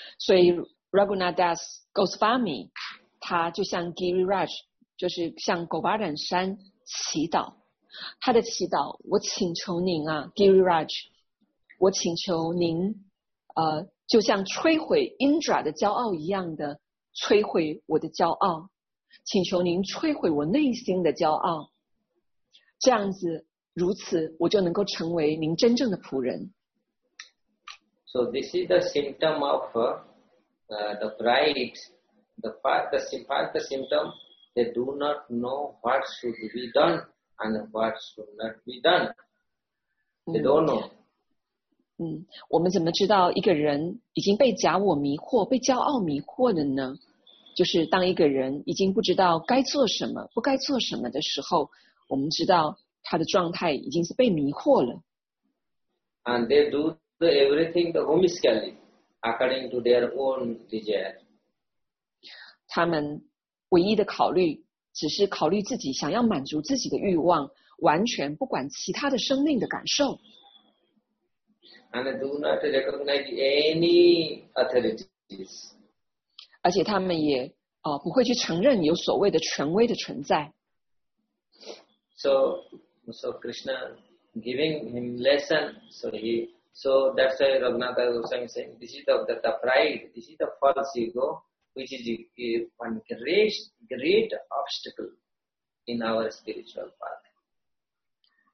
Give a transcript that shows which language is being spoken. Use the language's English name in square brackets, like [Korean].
[Chinese] 所以 Raghunath Das Goswami 他就像 Giriraj, 就是像 Govardhan 山祈祷，他的祈祷，我请求您啊 Giriraj, 我请求您就像摧毁 Indra 的骄傲一样的摧毁我的骄傲，请求您摧毁我内心的骄傲，这样子，如此，我就能够成为您真正的仆人。 [English] So this is the symptom of the pride, the symptom they do not know what should be done and what should not be done. They don't know. [Chinese] 我们怎么知道一个人已经被假我迷惑、被骄傲迷惑了呢？就是当一个人已经不知道该做什么、不该做什么的时候，我们知道他的状态已经是被迷惑了。 [English] And they do the everything the homiskali according to their own desire. [Chinese] 他们唯一的考虑只是考虑自己想要满足自己的欲望，完全不管其他的生命的感受。 [English] And they do not recognize any authorities. [Chinese] 而且他们也不会去承认有所谓的权威的存在。 [English] So Krishna giving him lesson, so that's why Raghunatha Goswami saying, this is the pride, this is the false ego, which is one great obstacle in our spiritual path.